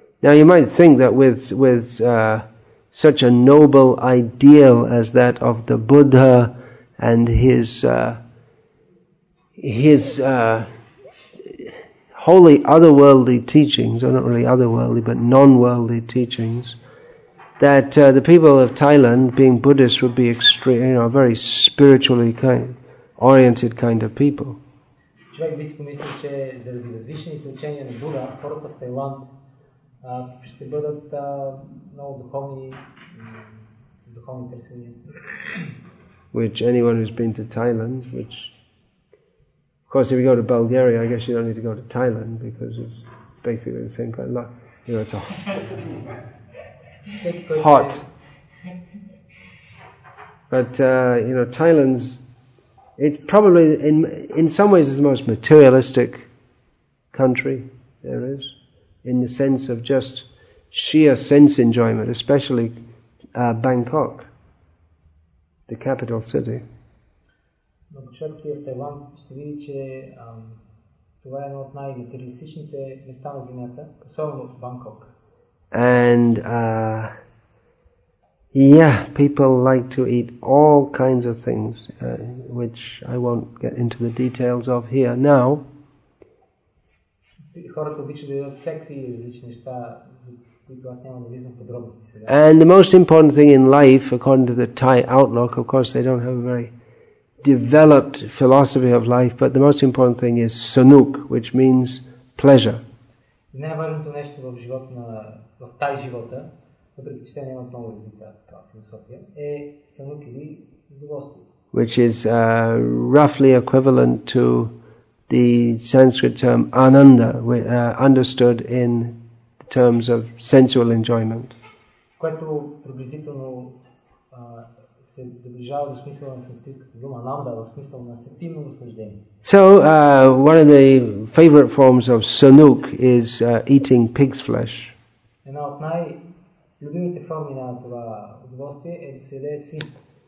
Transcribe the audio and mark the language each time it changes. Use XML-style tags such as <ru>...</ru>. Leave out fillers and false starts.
<en>Now you might think that with such a noble ideal as that of the Buddha and his holy otherworldly teachings, or not really otherworldly, but non-worldly teachings, that the people of Thailand, being Buddhists, would be very spiritually oriented kind of people.</en> <bg>Човек би си помислил, че заради възвишените учения на Буда, хората в Тайланд ще бъдат много духовни, с духовни търсения.</bg> <en>Which anyone who's been to Thailand, which of course if you go to Bulgaria, I guess you don't need to go to Thailand because it's basically the same kind of luck. You know, it's all hot. But you know, Thailand's, it's probably in some ways it's the most materialistic country there is, in the sense of just sheer sense enjoyment, especially Bangkok, the capital city.</en> <bg>Но като човек отиде в Тайланд, ще види, че това е едно от най-материалистичните места на земята, особено в Бангкок.</bg> <en>And yeah, people like to eat all kinds of things, which I won't get into the details of here now.</en> <bg>Хората обичат да ядат всякакви различни неща, за които аз няма да влизам в подробности сега.</bg> <en>And the most important thing in life, according to the Thai outlook, of course they don't have a very developed philosophy of life, but the most important thing is sunuk, which means pleasure.</en> <bg>Най-важното нещо в живота на в тази живота, въпреки че няма много развита философия, е сънук или удоволствие.</bg> <en>Which is roughly equivalent to the Sanskrit term ananda, understood in the terms of sensual enjoyment.</en> <bg>Което приблизително се доближава до смисъла на санскритската дума ананда, в смисъл на сетивно наслаждение.</bg> <en>So, one of the favorite forms of sunuk is eating pig's flesh.</en> <bg>Една от най-любимите форми на това удоволствие е да се яде свинско.</bg>